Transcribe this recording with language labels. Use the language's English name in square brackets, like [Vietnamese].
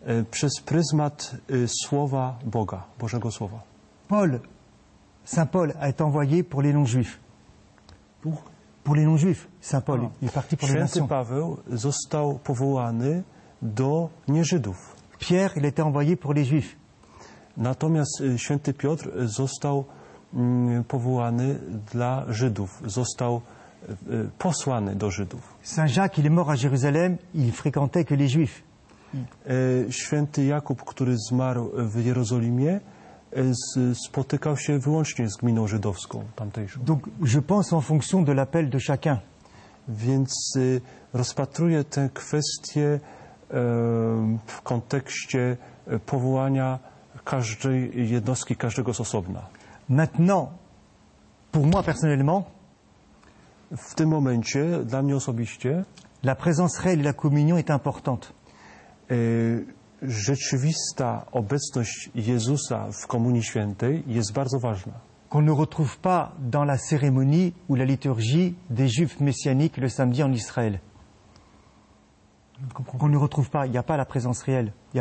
[Polish] Przez pryzmat słowa Boga, Bożego słowa. [French] Paul, Saint Paul a été envoyé pour les non-juifs. Pour les non-juifs, Saint Paul est parti pour [Polish] Święty [French] les nations. [Polish] Paweł został powołany do nie-Żydów. [French] Pierre, il était envoyé pour les juifs. [Polish] Natomiast Święty Piotr został powołany dla Żydów, został posłany do Żydów. [French] Saint Jacques, il est mort à Jérusalem, il fréquentait que les juifs. [Polish] Święty Jakub, który zmarł w Jerozolimie, spotykał się wyłącznie z gminą żydowską tamtejszą. [French] Donc, je pense en fonction de l'appel de chacun. [Polish] Więc rozpatruję tę kwestię w kontekście powołania każdej jednostki, każdego z osobna. [French] Maintenant, pour moi personnellement, [Polish] w tym momencie, dla mnie osobiście, [French] la présence réelle et la communion est importante. [Polish] Rzeczywista obecność Jezusa w Komunii Świętej jest bardzo ważna. [French] Qu'on ne retrouve pas dans la cérémonie ou la liturgie des Juifs messianiques le samedi en Israël. Qu'on ne retrouve pas, il n'y a pas la présence réelle,